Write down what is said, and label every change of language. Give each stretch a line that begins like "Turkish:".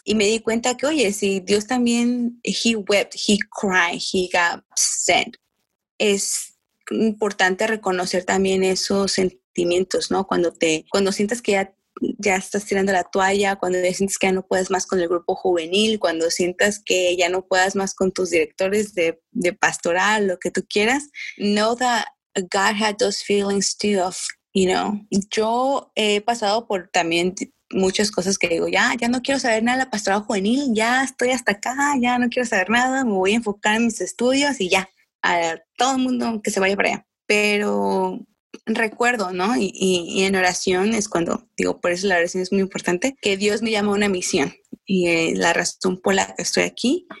Spanish: Y me di cuenta que, oye, si Dios también,
English: he wept, he cried, he got upset,
Spanish: es importante reconocer también esos sentimientos, ¿no? Cuando sientes que ya estás tirando la toalla, cuando ya sientes que ya no puedes más con el grupo juvenil, cuando sientas que ya no puedas más con tus directores de pastoral, lo que tú quieras.
English: Know that God had those feelings too, of, you know.
Spanish: Yo he pasado por también muchas cosas que digo, ya no quiero saber nada de la pastoral juvenil, ya estoy hasta acá, ya no quiero saber nada, me voy a enfocar en mis estudios y ya, a todo el mundo que se vaya para allá. Pero recuerdo, ¿no? Y en oración es cuando digo, por eso la oración es muy importante, que Dios me llama a una misión y la razón por la que estoy aquí.